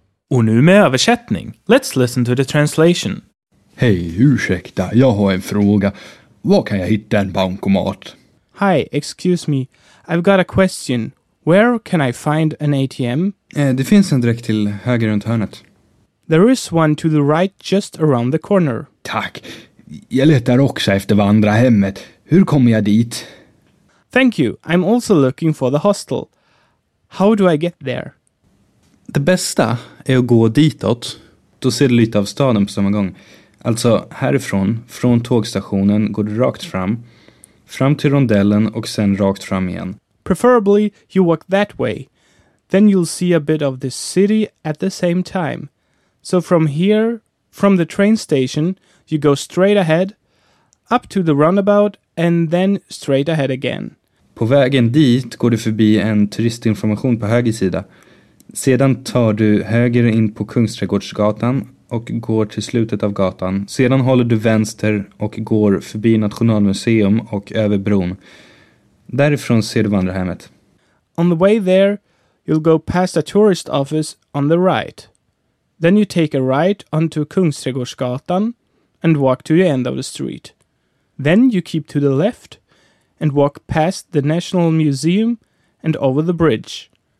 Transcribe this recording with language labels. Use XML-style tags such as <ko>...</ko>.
<sv>Och nu med översättning.</sv> <en>Let's listen to the translation.</en> <sv>Hej, ursäkta. Jag har en fråga. Var kan jag hitta en bankomat?</sv> <en>Hi, excuse me. I've got a question. Where can I find an ATM?</en> <sv>Det finns en direkt till höger runt hörnet.</sv> <en>There is one to the right just around the corner.</en> <sv>Tack. Jag letar också efter vandrarhemmet. Hur kommer jag dit?</sv> <en>Thank you. I'm also looking for the hostel. How do I get there?</en> <sv>Det bästa är att gå ditåt. Då ser du lite av staden på samma gång. Alltså härifrån, från tågstationen, går du rakt fram. Fram till rondellen och sen rakt fram igen.</sv> <en>Preferably you walk that way. Then you'll see a bit of the city at the same time. So from here, from the train station, you go straight ahead, up to the roundabout, and then straight ahead again.</en> <sv>På vägen dit går du förbi en turistinformation på höger sida. Sedan tar du höger in på Kungsträdgårdsgatan och går till slutet av gatan. Sedan håller du vänster och går förbi Nationalmuseum och över bron. Därifrån ser du vandrarhemmet.</sv> <en>On the way there, you'll go past a tourist office on the right. Then you take a right onto Kungsträdgårdsgatan and walk to the end of the street. Then you keep to the left and walk past the National Museum and over the bridge.</en>